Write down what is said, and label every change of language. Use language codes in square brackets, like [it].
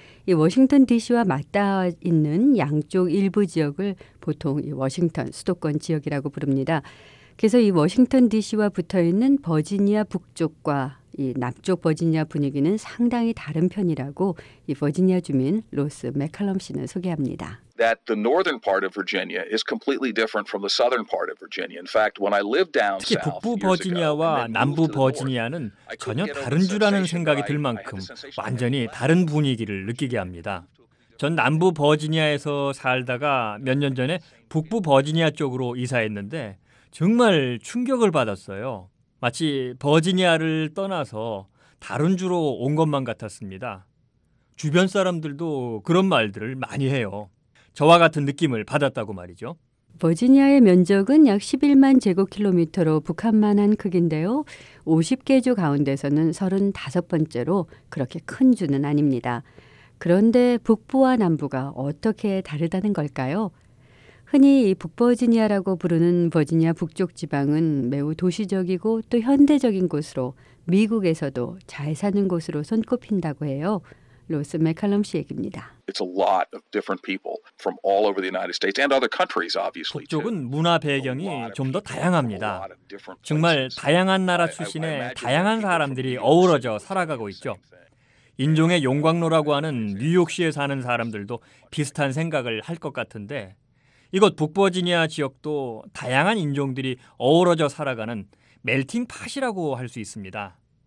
[ko] 이 워싱턴 DC와 맞닿아 있는 양쪽 일부 지역을 보통 이 워싱턴 수도권 지역이라고 부릅니다. 그래서 이 워싱턴 DC와 붙어있는 버지니아 북쪽과 이 남쪽 버지니아 분위기는 상당히 다른 편이라고 이 버지니아 주민 로스 맥칼럼 씨는 소개합니다. [en] That the northern part of Virginia is completely different from the southern part of Virginia. In fact, when I lived down south, [ko] 특히 북부 버지니아와 남부 버지니아는 전혀 다른 주라는 생각이 들 만큼 완전히 다른 분위기를 느끼게 합니다. 전 남부 버지니아에서 살다가 몇 년 전에 북부 버지니아 쪽으로 이사했는데 정말 충격을 받았어요. 마치 버지니아를 떠나서 다른 주로 온 것만 같았습니다. 주변 사람들도 그런 말들을 많이 해요. 저와 같은 느낌을 받았다고 말이죠. 버지니아의 면적은 약 11만 제곱킬로미터로 북한만 한 크기인데요. 50개 주 가운데서는 35번째로 그렇게 큰 주는 아닙니다. 그런데 북부와 남부가 어떻게 다르다는 걸까요? 흔히 북버지니아라고 부르는 버지니아 북쪽 지방은 매우 도시적이고 또 현대적인 곳으로 미국에서도 잘 사는 곳으로 손꼽힌다고 해요. 로스 맥칼럼 씨 얘기입니다. [en] It's a lot of different people from all over the United States and other countries, obviously. [ko] 북쪽은 문화 배경이 좀 더 다양합니다. 정말 다양한 나라 출신의 다양한 사람들이 어우러져 살아가고 있죠. 인종의 용광로라고 하는 뉴욕시에 사는 사람들도 비슷한 생각을 할 것 같은데 이곳 북버지니아 지역도 다양한 인종들이 어우러져 살아가는 멜팅팟이라고 할 수 있습니다.